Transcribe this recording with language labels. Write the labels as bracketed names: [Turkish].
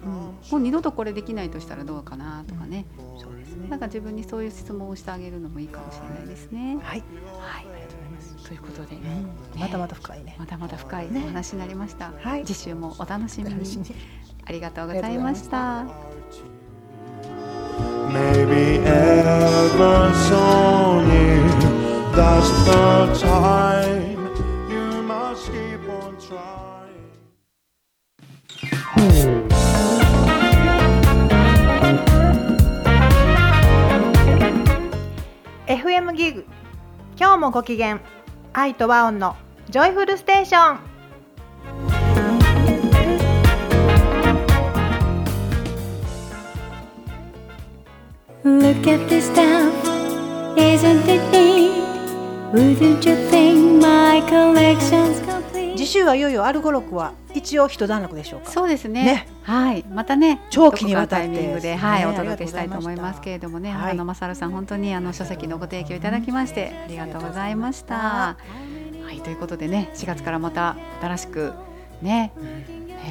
[Japanese] うん、もう二度とこれできないとしたらどうかなとかね、うん、そうですね、なんか自分にそういう質問をしてあげるのもいいかもしれないですね、はい、はい、ありがとうございます、ということで、ね、うん、またまた深いね、またまた深いお話になりました、ね、はい、次週もお楽しみに、ありがとうございました。 [English] Maybe ever so near, that's the time you must keep on trying. [Japanese] FM ギグ、今日もご機嫌、愛と和音のジョイフルステーション。 [English] Look at this stuff, isn't it neat? Wouldn't you think my collection's complete? [Japanese] 次週はいよいよアルゴロクは一応一段落でしょうか。そうですね、はい、またね、長期にわたってタイミングで、はい、お届けしたいと思いますけれどもね、はい、マサルさん本当にあの書籍のご提供いただきましてありがとうございました。はい、ということでね、4月からまた新しくね、うん、